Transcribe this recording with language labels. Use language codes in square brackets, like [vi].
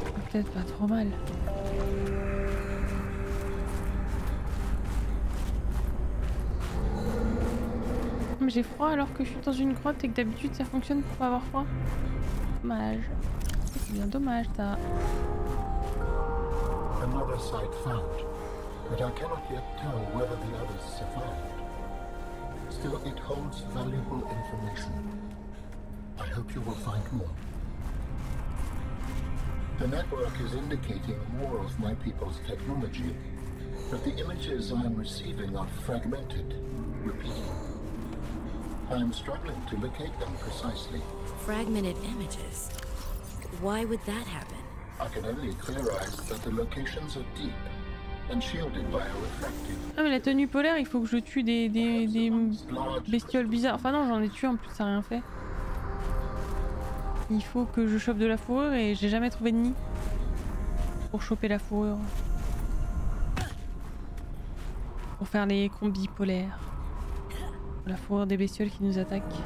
[fr] Peut-être pas trop mal. Mais j'ai froid alors que je suis dans une grotte et que d'habitude ça fonctionne pour pas avoir froid. Dommage. C'est bien dommage ça. [en] Another site found, but I cannot yet tell whether the others survived. Still, it holds valuable information. I hope you will find more. The network is indicating more of my people's technology, but the images I am receiving are fragmented, repeating. I am struggling to locate them precisely. Fragmented images? Why would that happen? I can only theorize that the locations are deep and shielded by a reflective. [fr] Ah mais la tenue polaire, il faut que je tue des bestioles bizarres. Enfin non, j'en ai tué en plus, ça a rien fait. Il faut que je chope de la fourrure et j'ai jamais trouvé de nid pour choper la fourrure. Pour faire les combis polaires. La fourrure des bestioles qui nous attaquent.